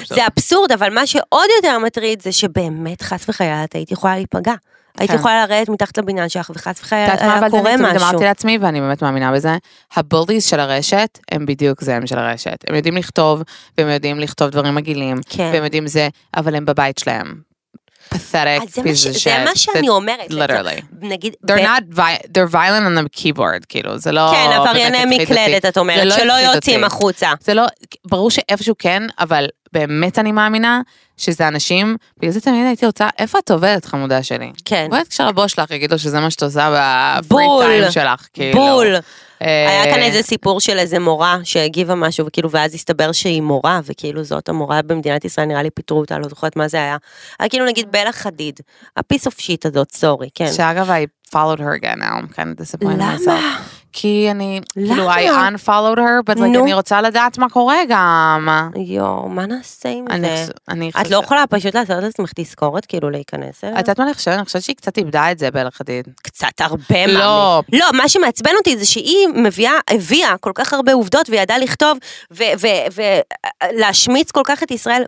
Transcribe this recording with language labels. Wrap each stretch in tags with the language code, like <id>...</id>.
<he>זה אבסורד, אבל מה שעוד יותר מטריד, זה שבאמת חס וחלילה, הייתי יכולה להיפגע. הייתי יכולה לרדת מתחת לבניין שלך, וחס וחלילה קורה משהו. אני אמרתי לעצמי, ואני באמת מאמינה בזה, הבוליז של הרשת, הם בדיוק זה הם של הרשת. הם יודעים לכתוב, והם יודעים לכתוב דברים מגעילים, והם יודעים זה, אבל הם בבית שלהם.</he> <en>Pathetic piece of shit.</en> <he>זה מה שאני אומרת.</he> <en>Literally. They're violent on the keyboard, כאילו.</en> <he>זה לא... כן, עברייני מקלדת, את אומרת, שלא יוצאים החוצה. זה לא... ברור שאיפשהו כן, אבל באמת אני מאמינה שזה אנשים, בגלל זה תמיד הייתי רוצה, איפה את עובדת, חמודה שלי? כן. בואי תקשר לבוס שלך, יגיד לו שזה מה שאת עושה בפרי טיים שלך, כאילו. בול. היה כאן איזה סיפור של איזה מורה שהגיבה משהו, וכאילו, ואז הסתבר שהיא מורה, וכאילו זאת המורה במדינת ישראל, נראה לי פיתרו אותה, לא זוכרת מה זה היה. היה כאילו, נגיד, בלה חדיד, הפיס אוף שיט הזאת, סורי, כן.</he> <en>שאגב, I followed her again now, I'm kind of disappointed myself.</en> <he>למה? כי אני, כאילו,</he> <en>I unfollowed her, but like,</en> <he>אני רוצה לדעת מה קורה גם. יו, מה נעשה עם זה? את לא יכולה פשוט לעשות את עצמך תזכורת, כאילו, להיכנס אליה? את יודעת מה אני חושבת? אני חושבת שהיא קצת איבדה את זה, בלה חדיד. קצת הרבה, מאמי. לא, מה שמעצבן אותי זה שהיא הביאה כל כך הרבה עובדות, והיא ידעה לכתוב ולהשמיץ כל כך את ישראל.</he>